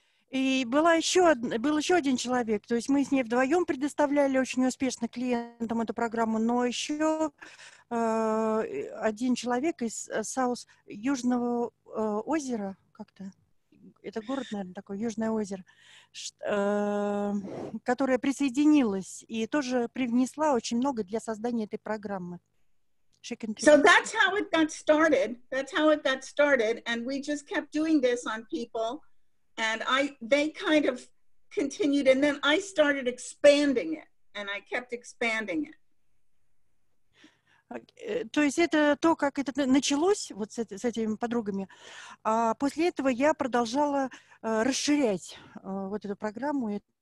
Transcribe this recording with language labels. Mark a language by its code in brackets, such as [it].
[ru] И был еще один человек, то есть мы с ней вдвоем предоставляли очень успешно клиентам эту программу, но еще один человек из Южного озера, как-то, это город, наверное, такой, Южное озеро, которая присоединилась и тоже привнесла очень много для создания этой программы. [en] So that's how it got started. That's how it got started, and we just kept doing this on people. And they kind of continued, and then I started expanding it, and I kept expanding it. [ru] То есть это то, как это началось вот с этими подругами. А после этого я продолжала расширять вот эту программу.